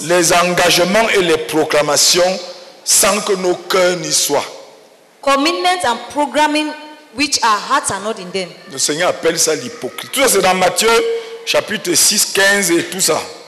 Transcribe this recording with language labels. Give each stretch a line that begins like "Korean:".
French: Les engagements et les proclamations sans que nos cœurs n'y soient.
English: Commitments and programming which our hearts are not in them.
French: Le Seigneur appelle ça l'hypocrisie. Tout ça c'est dans Matthieu chapitre 6, 15 et tout ça.